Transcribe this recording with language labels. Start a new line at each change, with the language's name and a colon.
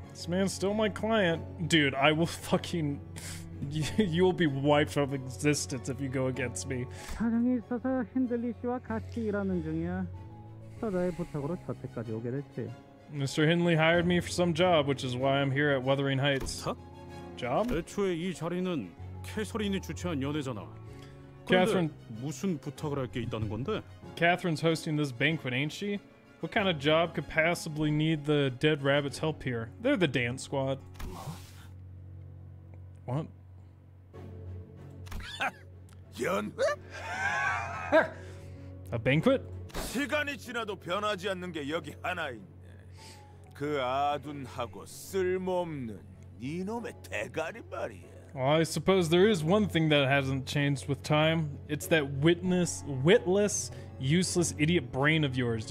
English: This man's still my client. Dude, I will fucking... You will be wiped from existence if you go against me. Mr. Hindley hired me for some job, which is why I'm here at Wuthering Heights. Job?
Korean: 애초에 이 자리는 캐서린이 주최한 연회잖아. 그런데 무슨 부탁을 할 게 있다는 건데?
English: Catherine's hosting this banquet, ain't she? What kind of job could possibly need the dead rabbit's help here? They're the dance squad. What?
Korean: 연회?
English: A banquet?
Korean: 시간이 지나도 변하지 않는 게 여기 하나 있네. 그 아둔하고 쓸모없는 니놈의 대가리 말이야.
English: Well, I suppose there is one thing that hasn't changed with time. It's that witless, useless idiot brain of yours.